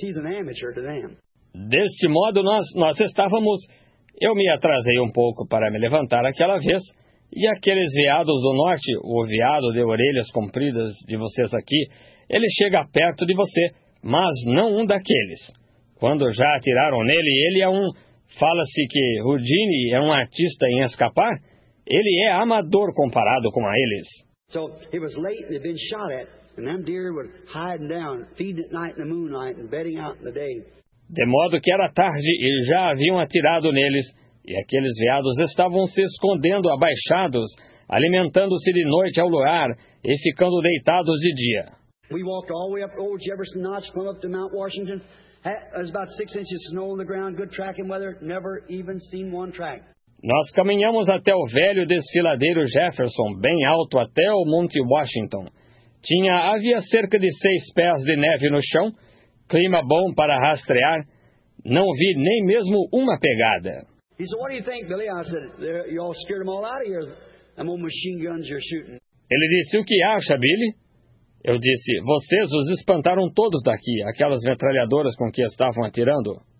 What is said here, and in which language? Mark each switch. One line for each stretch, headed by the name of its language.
English: He's an amateur to them.
Portuguese: Deste modo, nós estávamos... Eu me atrasei um pouco para me levantar aquela vez, e aqueles veados do norte, o veado de orelhas compridas de vocês aqui, ele chega perto de você, mas não um daqueles. Quando já atiraram nele, ele é um... Fala-se que Houdini é um artista em escapar... Ele é amador comparado com a eles.
English: So it was late and they'd been shot at, and them deer were hiding down, feeding at night in the moonlight and bedding out in the day.
Portuguese: De modo que era tarde e já haviam atirado neles, e aqueles veados estavam se escondendo abaixados, alimentando-se de noite ao luar e ficando deitados de dia.
English: We walked all the way up Old Jefferson Notch, climbed up to Mount Washington. It was about 6 inches of snow on the ground, good tracking weather, never even seen one track.
Portuguese: Nós caminhamos até o velho desfiladeiro Jefferson, bem alto até o Monte Washington. Havia cerca de 6 pés de neve no chão, clima bom para rastrear. Não vi nem mesmo uma pegada.
English: He said, "What do you think, Billy?" I said, "You all scared them all out of here. Them old machine guns you're shooting."
Portuguese: Ele disse, "O que acha, Billy?" Eu disse, "Vocês os espantaram todos daqui, aquelas metralhadoras com que estavam atirando."